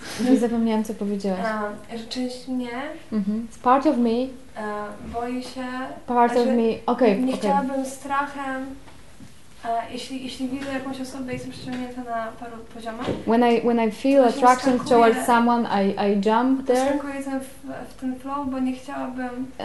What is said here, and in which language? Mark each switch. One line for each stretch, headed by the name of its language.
Polish: Nie zapomniałam, co powiedziałaś. Że część mnie.
English: Mm-hmm. Part of me.
Polish: Boi się.
English: Part of me. Okay.
Polish: Nie chciałabym strachem. Jeśli widzę jakąś osobę, jestem przyciągnięta na paru poziomach.
English: When I feel attraction towards someone, I jump there.
Polish: Poszukuję ten w ten flow, bo nie chciałabym.